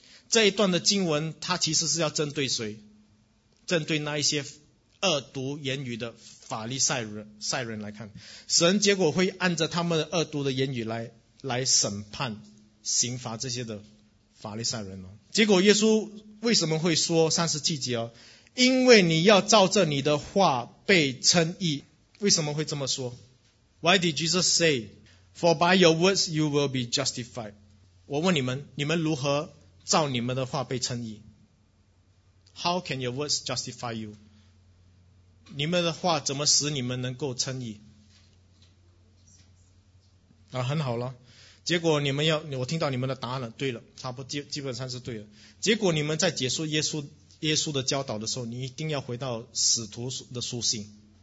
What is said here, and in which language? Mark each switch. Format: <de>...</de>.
<zh>这一段的经文它其实是要针对谁？针对那一些恶毒言语的法利赛人来看。神结果会按着他们的恶毒的言语来审判刑罚这些的法利赛人。结果耶稣为什么会说37节、因为你要照着你的话被称义。为什么会这么说？</zh> <en>Why did Jesus say, For by your words you will be justified?</en> <zh>我问你们，你们如何照你们的话被称义？</zh> <en>How can your words justify you?</en> <zh>你们的话怎么使你们能够称义？啊，很好了。结果你们要，我听到你们的答案了，对了，差不多基本上是对了。结果你们在解说耶稣的教导的时候，你一定要回到使徒的书信。</zh>